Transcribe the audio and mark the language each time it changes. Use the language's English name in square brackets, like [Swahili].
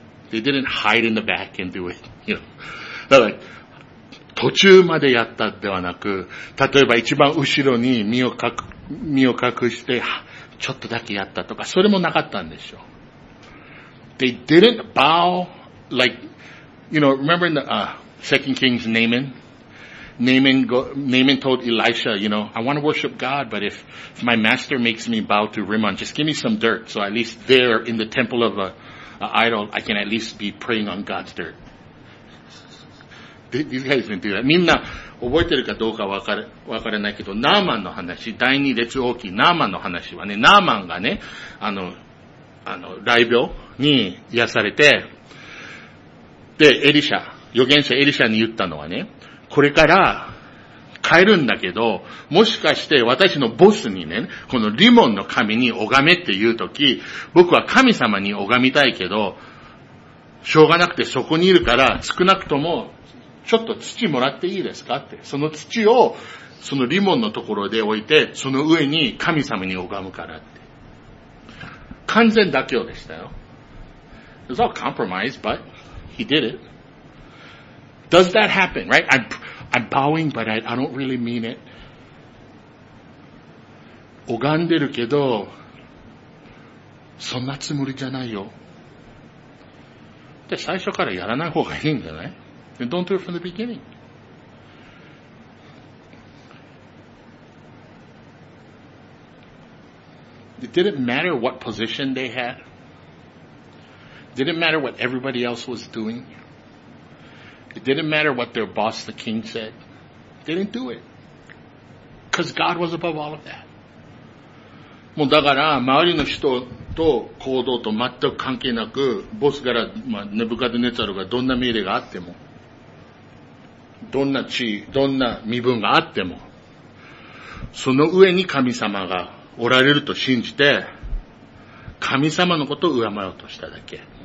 [English] They didn't hide in the back and do it. You know. [Japanese] だから、途中までやったではなく、例えば一番後ろに身を隠して、ちょっとだけやったとか、それもなかったんでしょう。 [English] They didn't bow, like, you know, remember in the, 2 Kings Naaman? Naaman told Elisha, you know, I want to worship God, but if my master makes me bow to Rimmon, just give me some dirt, so at least there in the temple of an idol, I can at least be praying on God's dirt. These guys didn't do that. [Japanese] みんな覚えてるかどうかわからないけど、ナーマンの話、第二列王記ナーマンの話はね、ナーマンがね、あの、雷病に癒されて、で、エリシャ、預言者エリシャに言ったのはね、これから帰るんだけど、もしかして私のボスにね、このリモンの神に拝めっていうとき、僕は神様に拝みたいけど、しょうがなくてそこにいるから、少なくとも、ちょっと土もらっていいですかって。その土を、そのリモンのところで置いて、その上に神様に拝むからって。完全妥協でしたよ。 [English] It's all compromise, but he did it. Does that happen, right? I'm bowing, but I don't really mean it. [Japanese] 拝んでるけど、そんなつもりじゃないよ。で、最初からやらない方がいいんじゃない？ [English] And don't do it from the beginning. It didn't matter what position they had. It didn't matter what everybody else was doing. It didn't matter what their boss, the king, said. They didn't do it. Because God was above all of that. [Japanese] もうだから周りの人と行動と全く関係なく、ボスからネブカデネツァルがどんな命令があっても、どんな地位、どんな身分があっても、その上に神様がおられると信じて、神様のことを上回ろうとしただけ。